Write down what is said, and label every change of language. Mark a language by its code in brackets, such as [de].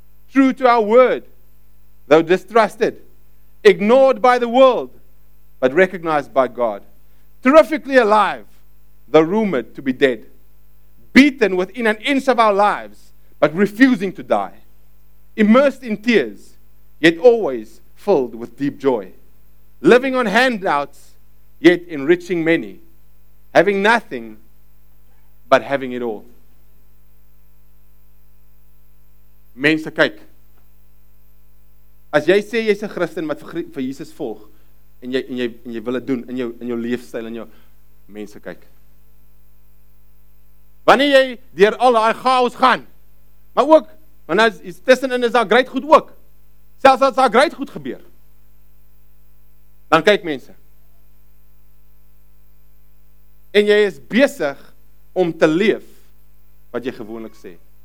[en] true to our word, though distrusted, ignored by the world, but recognized by God, terrifically alive, though rumored to be dead, beaten within an inch of our lives, but refusing to die, immersed in tears, yet always filled with deep joy, living on handouts, yet enriching many, having nothing, but having it all. [af] Mense kyk. As jy sê jy's 'n Christen wat vir Jesus volg, en jy wil dit doen in jou leefstyl, in jou mense kyk. Wanneer jy deur al daai chaos gaan, maar ook wanneer is tussenin is daar groot goed ook. Selfs as daar groot goed gebeur, dan kyk mense. En jy is besig om te leef wat jy gewoonlik sê.